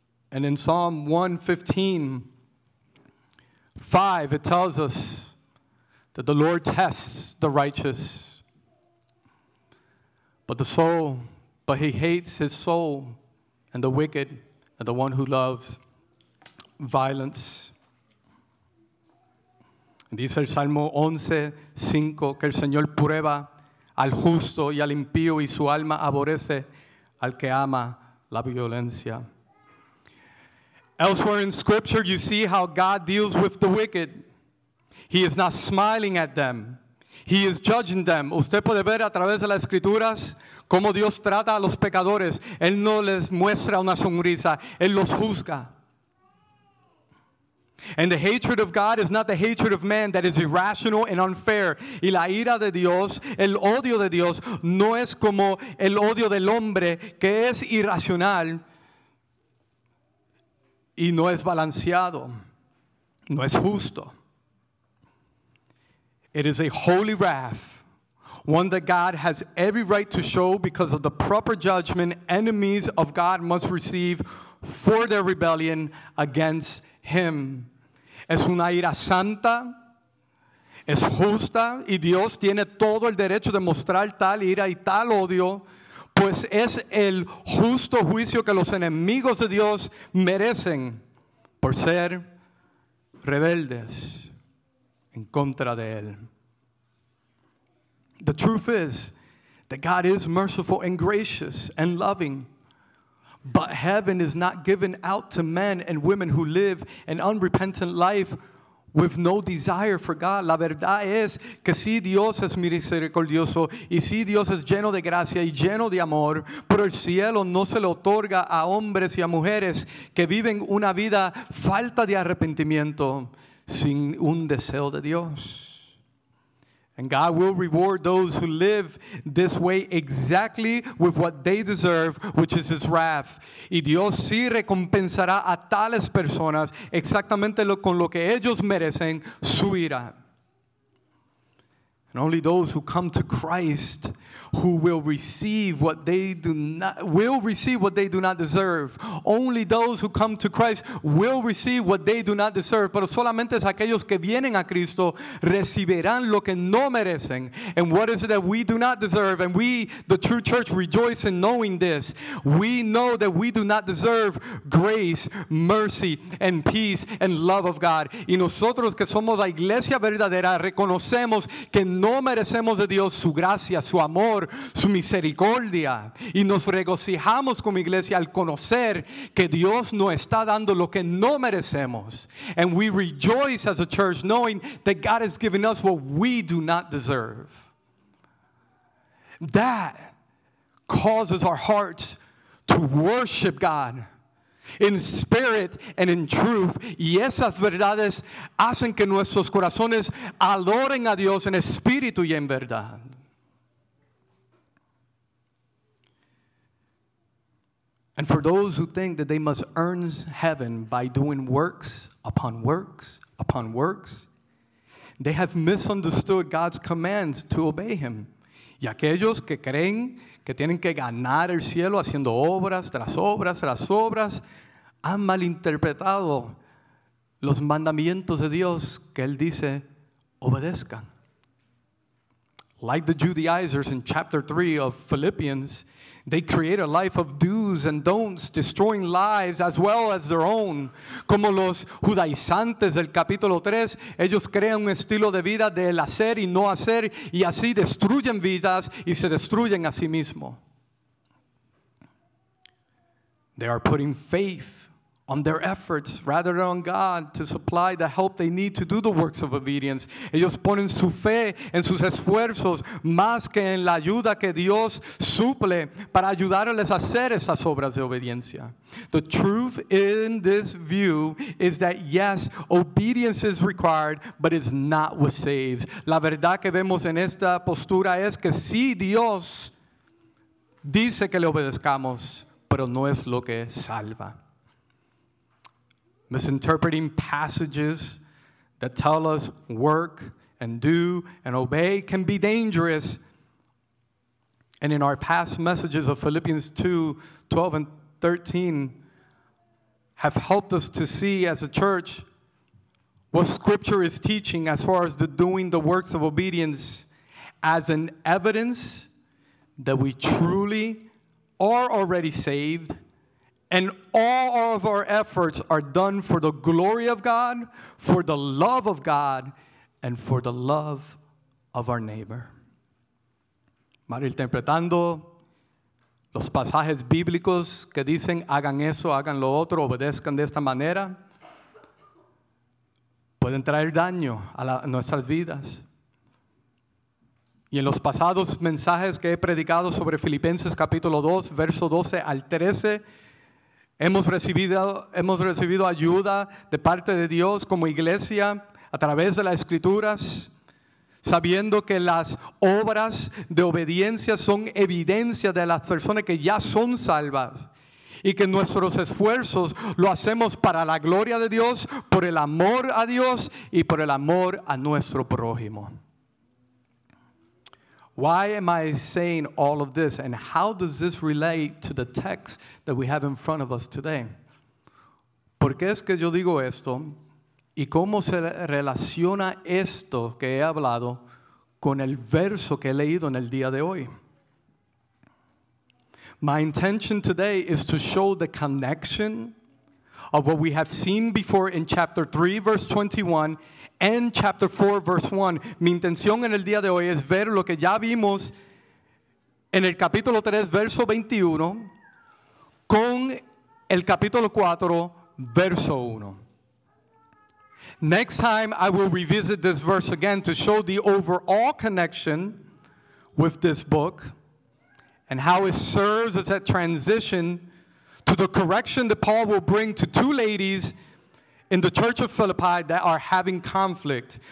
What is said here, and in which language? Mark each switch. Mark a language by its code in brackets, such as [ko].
[en] In Psalm 115:5, it tells us that the Lord tests the righteous, but he hates his soul and the wicked and the one who loves violence. [es] Dice el Salmo 11:5 que el Señor prueba al justo y al impío, y su alma aborrece al que ama la violencia. [en] Elsewhere in Scripture, you see how God deals with the wicked. He is not smiling at them. He is judging them. [es] Usted puede ver a través de las Escrituras cómo Dios trata a los pecadores. Él no les muestra una sonrisa. Él los juzga. [en] And the hatred of God is not the hatred of man that is irrational and unfair. [es] Y la ira de Dios, el odio de Dios, no es como el odio del hombre que es irracional y no es balanceado, no es justo. [en] It is a holy wrath, one that God has every right to show because of the proper judgment enemies of God must receive for their rebellion against him. [es] Es una ira santa, es justa, y Dios tiene todo el derecho de mostrar tal ira y tal odio, pues es el justo juicio que los enemigos de Dios merecen por ser rebeldes en contra de él. [en] The truth is that God is merciful and gracious and loving. But heaven is not given out to men and women who live an unrepentant life with no desire for God. [es] La verdad es que sí, Dios es misericordioso, y sí, Dios es lleno de gracia y lleno de amor, pero el cielo no se le otorga a hombres y a mujeres que viven una vida falta de arrepentimiento sin un deseo de Dios. [en] And God will reward those who live this way exactly with what they deserve, which is his wrath. [es] Y Dios sí recompensará a tales personas exactamente con lo que ellos merecen, su ira. [en] And only those who come to Christ who will receive what they do not will receive what they do not deserve. Only those who come to Christ will receive what they do not deserve. [es] Pero solamente es aquellos que vienen a Cristo recibirán lo que no merecen. [en] And what is it that we do not deserve? And we, the true church, rejoice in knowing this. We know that we do not deserve grace, mercy, and peace, and love of God. [es] Y nosotros que somos la iglesia verdadera reconocemos que no merecemos de Dios su gracia, su amor, su misericordia, y nos regocijamos como iglesia al conocer que Dios nos está dando lo que no merecemos. [en] And we rejoice as a church knowing that God has given us what we do not deserve. That causes our hearts to worship God in spirit and in truth. [es] Y esas verdades hacen que nuestros corazones adoren a Dios en espíritu y en verdad. [en] And for those who think that they must earn heaven by doing works upon works upon works, they have misunderstood God's commands to obey him. [es] Y aquellos que creen que tienen que ganar el cielo haciendo obras tras obras tras obras, han malinterpretado los mandamientos de Dios que él dice, obedezcan. [en] Like the Judaizers in chapter 3 of Philippians, they create a life of do's and don'ts, destroying lives as well as their own. [es] Como los judaizantes del capítulo 3, ellos crean un estilo de vida del hacer y no hacer, y así destruyen vidas y se destruyen a sí mismos. [en] They are putting faith on their efforts rather than on God to supply the help they need to do the works of obedience. [es] Ellos ponen su fe en sus esfuerzos más que en la ayuda que Dios suple para ayudarles a hacer esas obras de obediencia. [en] The truth in this view is that yes, obedience is required, but it's not what saves. [es] La verdad que vemos en esta postura es que sí, Dios dice que le obedezcamos, pero no es lo que salva. [en] Misinterpreting passages that tell us work and do and obey can be dangerous. And in our past messages of Philippians 2, 12 and 13 have helped us to see as a church what scripture is teaching as far as the doing the works of obedience as an evidence that we truly are already saved. And all of our efforts are done for the glory of God, for the love of God, and for the love of our neighbor. [es] Malinterpretando los pasajes bíblicos que dicen hagan eso, hagan lo otro, obedezcan de esta manera, pueden traer daño a nuestras vidas. Y en los pasados mensajes que he predicado sobre Filipenses capítulo 2, verso 12 al 13, Hemos recibido ayuda de parte de Dios como iglesia a través de las escrituras, sabiendo que las obras de obediencia son evidencia de las personas que ya son salvas y que nuestros esfuerzos lo hacemos para la gloria de Dios, por el amor a Dios y por el amor a nuestro prójimo. [en] Why am I saying all of this, and how does this relate to the text that we have in front of us today? [es] ¿Por qué es que yo digo esto, y cómo se relaciona esto que he hablado con el verso que he leído en el día de hoy? [en] My intention today is to show the connection of what we have seen before in chapter 3, verse 21, and chapter 4, verse 1. [es] Mi intención en el día de hoy es ver lo que ya vimos en el capítulo 3, verso 21, con el capítulo 4, verso 1. [en] Next time, I will revisit this verse again to show the overall connection with this book and how it serves as a transition to the correction that Paul will bring to two ladies in the church of Philippi that are having conflict.